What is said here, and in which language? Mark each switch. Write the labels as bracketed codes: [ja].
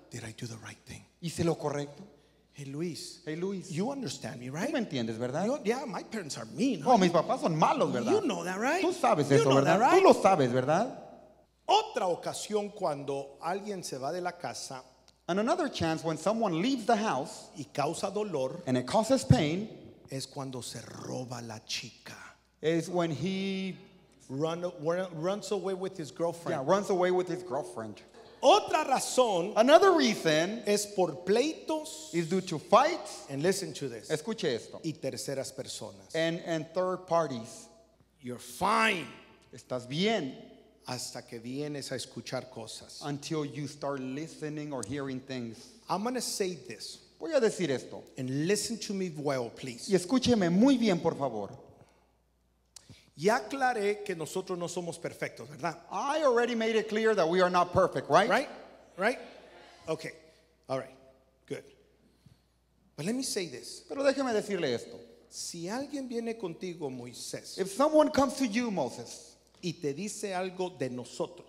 [en] Did I do the right thing? [es] ¿Hice lo correcto? [en] Hey Luis, you understand me, right? [es] ¿Tú me entiendes, verdad? [en] Yeah, my parents are mean. [es] Oh, mis papás son malos, ¿verdad? [en] You know that, right? [es] Tú sabes eso, ¿verdad? Tú lo sabes, ¿verdad? Otra ocasión cuando alguien se va de la casa, [en] and another chance when someone leaves the house, [es] y causa dolor, [en] and it causes pain, [es] es cuando se roba la chica. [en] Is when he runs away with his girlfriend. Yeah, runs away with his girlfriend. [es] Otra razón, [en] another reason, [es] es por pleitos, [en] is due to fights, and listen to this, [es] escuche esto, y terceras personas, [en] and third parties. You're fine. [es] Estás bien. Hasta que vienes a escuchar cosas. [en] Until you start listening or hearing things. I'm going to say this. [es] Voy a decir esto. [en] And listen to me well, please. [es] Y escúcheme muy bien, por favor. Ya aclaré que nosotros no somos perfectos, ¿verdad? [en] I already made it clear that we are not perfect, right? Right? Right? Okay. All right. Good. But let me say this. [es] Pero déjeme decirle esto. Si alguien viene contigo, Moisés. [en] If someone comes to you, Moses. [es] Y te dice algo de nosotros.